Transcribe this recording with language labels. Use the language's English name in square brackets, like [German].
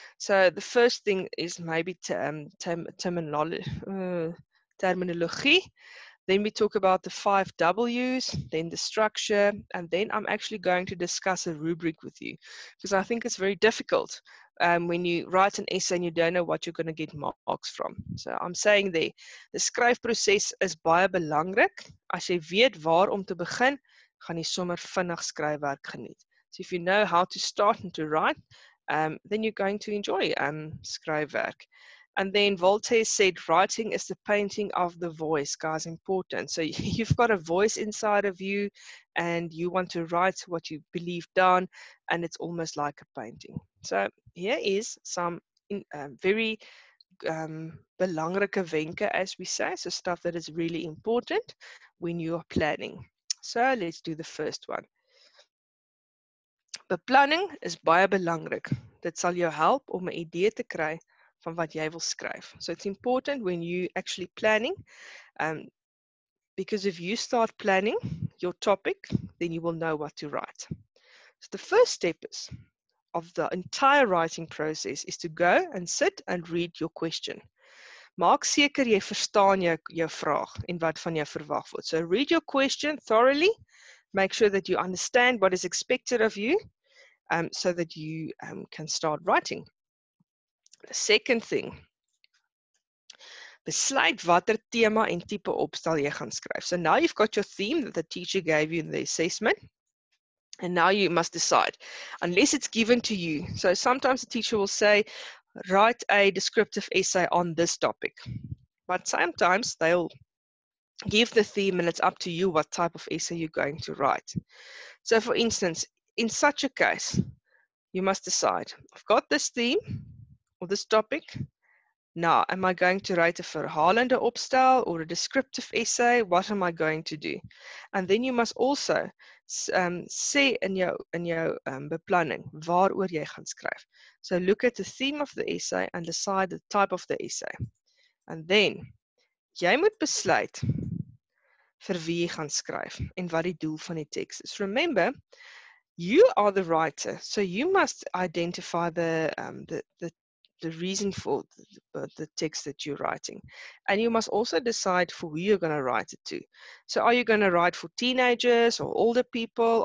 [English] So the first thing is maybe terminology. Then we talk about the five W's, then the structure, and then I'm actually going to discuss a rubric with you because I think it's very difficult when you write an essay and you don't know what you're going to get marks from. So I'm saying there, the [Afrikaans] skryfproses is baie belangrik. As jy weet waar om te begin, gaan jy sommer vinnig skryfwerk geniet. [English] So if you know how to start and to write, then you're going to enjoy skryfwerk. And then Voltaire said, writing is the painting of the voice, guys, important. So you've got a voice inside of you and you want to write what you believe down and it's almost like a painting. So here is some very [Afrikaans] belangrike wenke, [English] as we say, so stuff that is really important when you are planning. So let's do the first one. [Afrikaans] Beplanning is baie belangrik. Dit sal jou help om 'n idee te kry van wat jy wil skryf. [English] So it's important when you actually planning, because if you start planning your topic, then you will know what to write. So the first step is of the entire writing process is to go and sit and read your question. [Afrikaans] Maak seker jy verstaan jou vraag en wat van jou verwag word. [English] So read your question thoroughly. Make sure that you understand what is expected of you, so that you can start writing. The second thing, [Afrikaans] besluit watter tema en tipe opstel jy gaan skryf. [English] So now you've got your theme that the teacher gave you in the assessment. And now you must decide, unless it's given to you. So sometimes the teacher will say, write a descriptive essay on this topic. But sometimes they'll give the theme and it's up to you what type of essay you're going to write. So for instance, in such a case, you must decide, I've got this theme or this topic. Now, am I going to write a verhalende opstel or a descriptive essay? What am I going to do? And then you must also say in your beplanning, [Afrikaans] waaroor jy gaan skryf. [English] So look at the theme of the essay and decide the type of the essay. And then, [Afrikaans] jy moet besluit vir wie jy gaan skryf en wat die doel van die teks is. [English] Remember, you are the writer, so you must identify the reason for the text that you're writing. And you must also decide for who you're going to write it to. So are you going to write for teenagers or older people?